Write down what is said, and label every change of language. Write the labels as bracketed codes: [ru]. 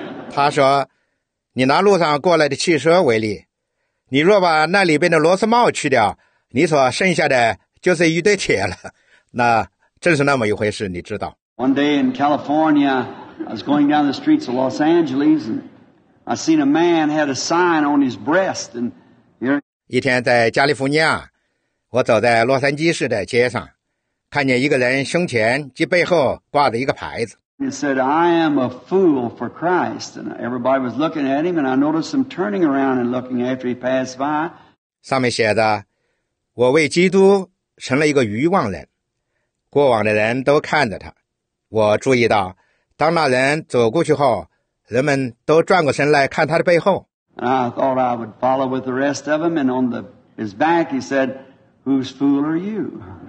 [zh] 他说，你拿路上过来的汽车为例，你若把那里边的螺丝帽去掉，你所剩下的就是一堆铁了。那正是那么一回事，你知道。 [en] One day in California, I was going down the streets of Los Angeles, and I seen a man had a sign on his breast, and here. [zh] 一天在加利福尼亚，我走在洛杉矶市的街上，看见一个人胸前及背后挂着一个牌子。 [en] He said, I am a fool for Christ. And everybody was looking at him, and I noticed him turning around and looking after he passed by. [zh] 上面写的，我为基督成了一个愚妄人。过往的人都看着他。我注意到，当那人走过去后，人们都转过身来看他的背后。 [en] And I thought I would follow with the rest of them, and on his back he said, whose fool are you?